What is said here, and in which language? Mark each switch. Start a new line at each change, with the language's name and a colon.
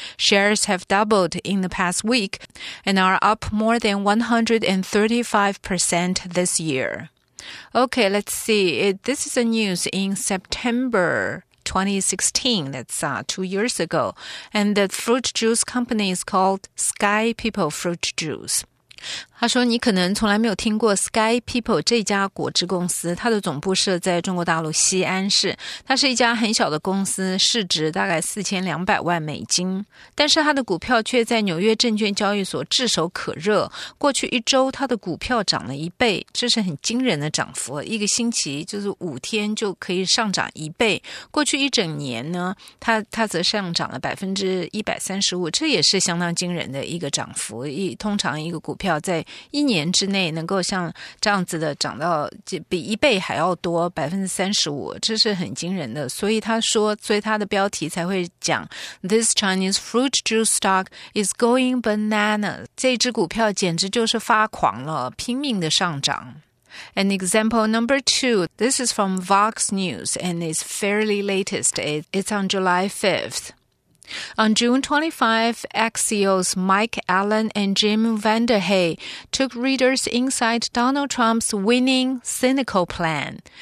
English: Shares have doubled in the past week and are up more than 135% this year. Okay, let's see. This is the news in September 2016, that's 2 years ago. And the fruit juice company is called Sky People Fruit Juice.
Chinese: 他说你可能从来没有听过 Sky People 这家果汁公司，它的总部设在中国大陆西安市，它是一家很小的公司，市值大概$4,200万，但是它的股票却在纽约证券交易所炙手可热，过去一周它的股票涨了一倍，这是很惊人的涨幅，一个星期就是五天就可以上涨一倍，过去一整年呢 它则上涨了135%，这也是相当惊人的一个涨幅。通常一个股票在一年之内能够像这样子的涨到比一倍还要多35%，这是很惊人的。所以他说，所以他的标题才会讲
English: This Chinese fruit juice stock is going bananas.
Chinese: 这只股票简直就是发狂了，拼命的上涨。
English: An example number two, this is from Vox News and is fairly latest. It's on July 5th. On June 25, Axios Mike Allen and Jim Vanderhey took readers inside Donald Trump's winning cynical plan.